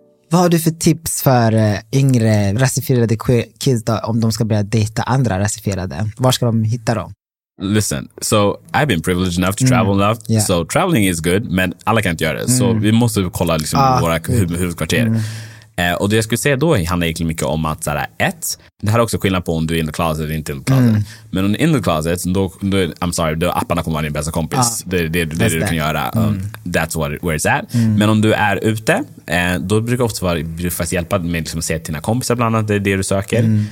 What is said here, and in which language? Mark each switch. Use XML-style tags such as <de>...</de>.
<sv>Vad har du för tips för yngre rasifierade kids då, om de ska börja dejta andra rasifierade? Var ska de hitta dem?</sv> <en>Listen, so I've been privileged enough to travel enough. Yeah. So traveling is good,</en> <sv>men alla kan inte göra det. Så vi måste kolla liksom våra huvudkvarter. Och det jag skulle säga då handlar egentligen mycket om att såhär, ett, det här är också skillnad på om du är</sv> <en>in the closet</en> <sv>eller inte in the closet. Men om du är in the closet, då,</sv> <en>I'm sorry,</en> <sv>då apparna kommer vara din bästa kompis. Det är det du kan göra.</sv> <en>That's where it's at.</en> <sv>Men om du är ute, då brukar ofta vara hjälpa med liksom, att se till dina kompisar bland annat, det du söker.</sv>